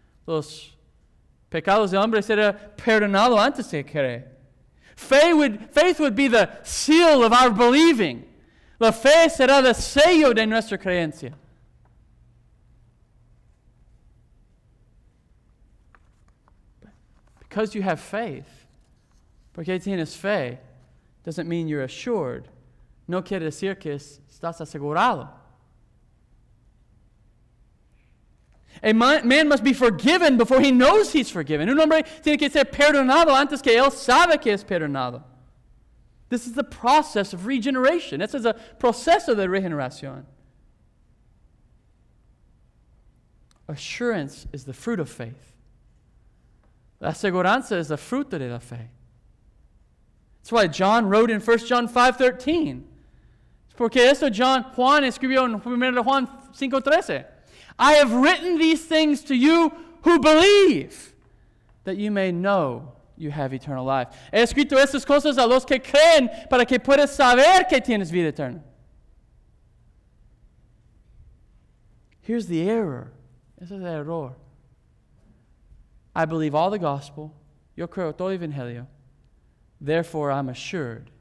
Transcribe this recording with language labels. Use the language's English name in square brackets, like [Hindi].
[Spanish] Los pecados del hombre serán perdonados antes de creer. [English] Faith would be the seal of our believing. [Spanish] La fe será el sello de nuestra creencia. [English] Because you have faith, [Spanish] porque tienes fe, [English] doesn't mean you're assured. [Spanish] No quiere decir que estás asegurado. [English] A man must be forgiven before he knows he's forgiven. [Spanish] Un hombre tiene que ser perdonado antes que él sabe que es perdonado. [English] This is the process of regeneration. This is a [Spanish] proceso de regeneración. [English] Assurance is the fruit of faith. [Spanish] La seguranza es el fruto de la fe. [English] That's why John wrote in 1 John 5:13. [Spanish] Porque esto Juan escribió en 1 Juan 5:13. [English] I have written these things to you who believe, that you may know you have eternal life. [Spanish] He escrito estas cosas a los que creen para que puedas saber que tienes vida eterna. [English] Here's the error. [Spanish] Ese es el error. [English] I believe all the gospel. [Spanish] Yo creo todo el evangelio. [English] Therefore, I'm assured.